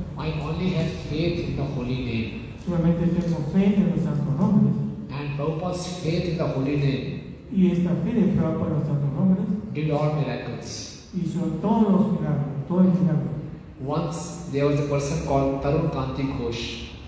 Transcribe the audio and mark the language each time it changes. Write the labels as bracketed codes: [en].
[en] I only have faith in the Holy Name. [es] Solamente tengo fe en los santos nombres. [en] And Prabhupada's faith in the Holy Name. [es] Y esta fe de Prabhupada en los santos nombres. [en] Did all miracles. [es] Hizo todos los milagros, todo el milagro. [en] Once there was a person called Tarun Kanti Ghosh.